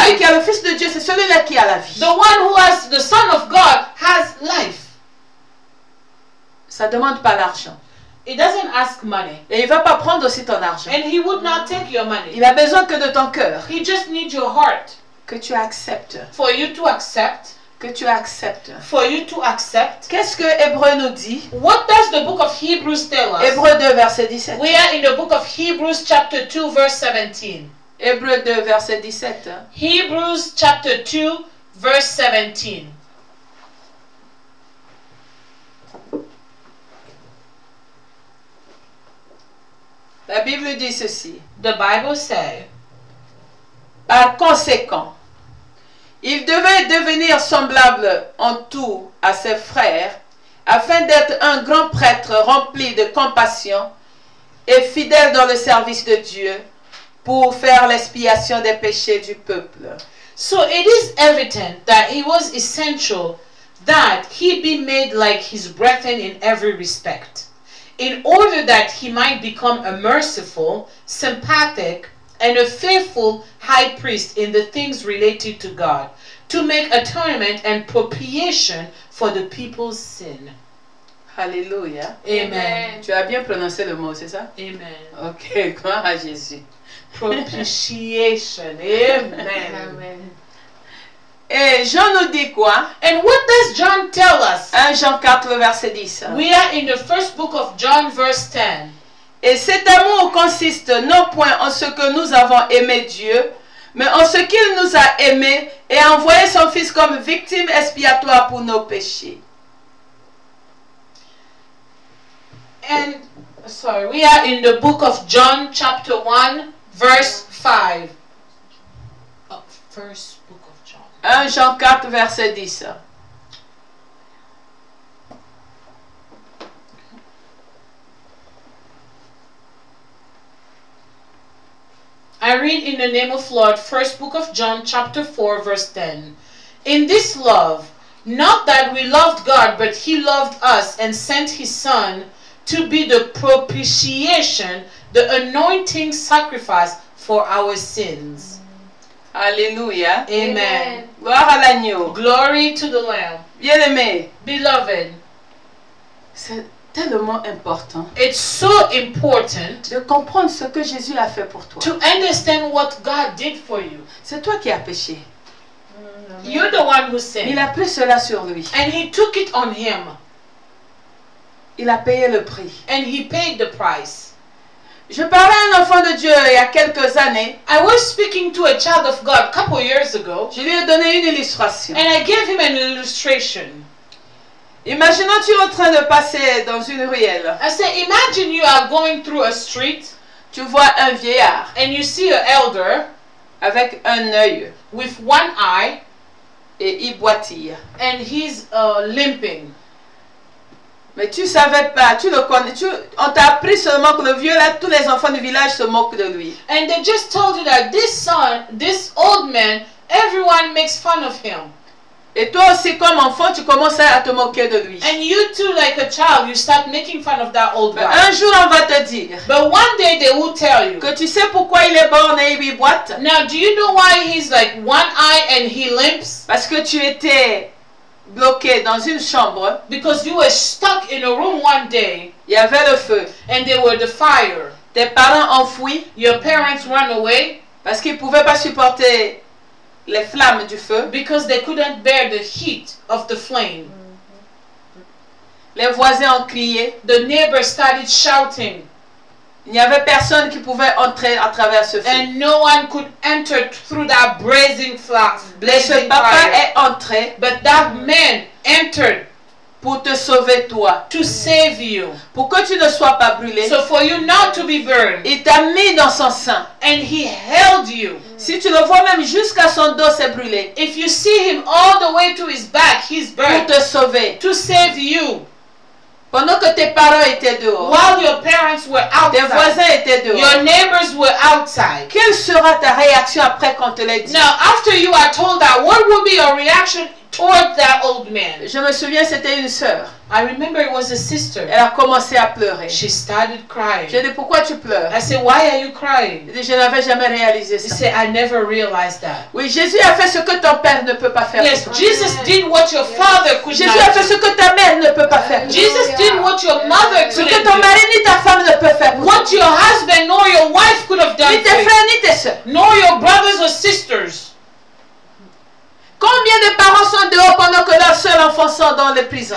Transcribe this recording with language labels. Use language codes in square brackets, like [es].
[fr] Celui qui a le Fils de Dieu, c'est celui-là qui a la vie. [en] The one who has the Son of God has life. [fr] Ça demande pas l'argent. [en] He doesn't ask money. [fr] Et il va pas prendre aussi ton argent. [en] And he would not take your money. [fr] Il a besoin que de ton cœur. [en] He just needs your heart. [fr] Que tu acceptes. [en] For you to accept. [fr] Que tu acceptes. [en] For you to accept. [fr] Qu'est-ce que Hébreux nous dit? [en] What does the book of Hebrews tell us? [fr] Hébreux 2 verset 17. [en] We are in the book of Hebrews chapter 2 verse 17. [fr] Hébreux 2 verset 17. [en] Hebrews chapter 2 verse 17. [fr] La Bible dit ceci. [en] The Bible say. [fr] Par conséquent, il devait devenir semblable en tout à ses frères afin d'être un grand prêtre rempli de compassion et fidèle dans le service de Dieu pour faire l'expiation des péchés du peuple. [en] So it is evident that it was essential that he be made like his brethren in every respect, in order that he might become a merciful, sympathetic, and a faithful high priest in the things related to God, to make atonement and propitiation for the people's sin. Hallelujah. Amen. Amen. [fr] Tu as bien prononcé le mot, c'est ça? Amen. Ok, gloire à Jésus. [en] Propitiation. Amen. Amen. [fr] Et Jean nous dit quoi? [en] And what does John tell us? [fr] 1 Jean 4, verset 10. [en] We are in the first book of John, verse 10. [fr] Et cet amour consiste non point en ce que nous avons aimé Dieu, mais en ce qu'il nous a aimés et a envoyé son Fils comme victime expiatoire pour nos péchés. [en] And, sorry, we are in the book of John, chapter 1, verse 5. Oh, first. [fr] 1 Jean 4, verset 10. [en] I read in the name of Lord, first book of John, chapter 4, verse 10. In this love, not that we loved God, but he loved us and sent his Son to be the propitiation, the anointing sacrifice for our sins. Alléluia. Amen. [fr] Gloire à l'agneau. [en] Glory to the Lamb. [fr] Bien-aimé. [en] Beloved. [fr] C'est tellement important. [en] It's so important. [fr] De comprendre ce que Jésus a fait pour toi. [en] To understand what God did for you. [fr] C'est toi qui as péché. [en] You're the one who sinned. [fr] Il a pris cela sur lui. [en] And he took it on him. [fr] Il a payé le prix. [en] And he paid the price. [fr] Je parlais à un enfant de Dieu il y a quelques années. [en] I was speaking to a child of God a couple years ago. [fr] Je lui ai donné une illustration. [en] And I gave him an illustration. [fr] Imaginons tu es en train de passer dans une ruelle. [en] I said, imagine you are going through a street. [fr] Tu vois un vieillard. [en] And you see an elder. [fr] Avec un œil. [en] With one eye. [fr] Et il boitille. [en] And he's limping. [fr] Mais tu savais pas, tu le connais, on t'a appris seulement que le vieux là, tous les enfants du village se moquent de lui. [en] And they just told you that this son, this old man, everyone makes fun of him. [fr] Et toi aussi comme enfant, tu commences à te moquer de lui. [en] And you too, like a child, you start making fun of that old [fr] Mais [en] guy. [fr] Un jour on va te dire. [en] But one day they will tell you. [fr] Que tu sais pourquoi il est borné et il boite. [en] Now do you know why he's like one eye and he limps? [fr] Parce que tu étais bloqué dans une chambre. [en] Because you were stuck in a room one day. [fr] Il y avait le feu. [en] And there were the fire. [fr] Tes parents enfouis. [en] Your parents ran away. [fr] Parce qu'ils pouvaient pas supporter les flammes du feu. [en] Because they couldn't bear the heat of the flame. [fr] Les voisins ont crié. [en] The neighbors started shouting. [fr] Il n'y avait personne qui pouvait entrer à travers ce feu. [en] And no one could enter through that blazing fire. [fr] Ce papa est entré. [en] But that man entered. [fr] Pour te sauver toi. [en] To save you. [fr] Pour que tu ne sois pas brûlé. [en] So for you not to be burned. [fr] Il t'a mis dans son sein. [en] And he held you. [fr] Si tu le vois même jusqu'à son dos, c'est brûlé. [en] If you see him all the way to his back, he's burned. [fr] Pour te sauver. [en] To save you. [fr] Pendant que tes parents étaient dehors, [en] while your parents were outside, [fr] tes voisins étaient dehors, [en] your neighbors were outside. [fr] Quelle sera ta réaction après qu'on te l'ait dit? [en] Now, after you are told that, what will be your reaction toward that old man? [fr] Je me souviens, c'était une sœur. [en] I remember it was a sister. [fr] Elle a commencé à pleurer. [en] She started crying. [fr] Je dis, pourquoi tu pleures? [en] I said, why are you crying? [fr] Je dis, je n'avais jamais réalisé ça. [en] She said, I never realized that. [fr] Oui, Jésus a fait ce que ton père ne peut pas faire. [en] Yes, Jesus did what your father could not. [fr] Jésus a fait ce que ta mère ne peut pas faire. [en] Jesus did what your mother couldn't. [fr] Ce que ton mari ni ta femme ne peut faire. [en] What your husband nor your wife could have done. [fr] Ni tes frères ni tes sœurs. [en] Nor your brothers or sisters. [fr] Combien de parents sont dehors pendant que leur seul enfant sort dans les prisons?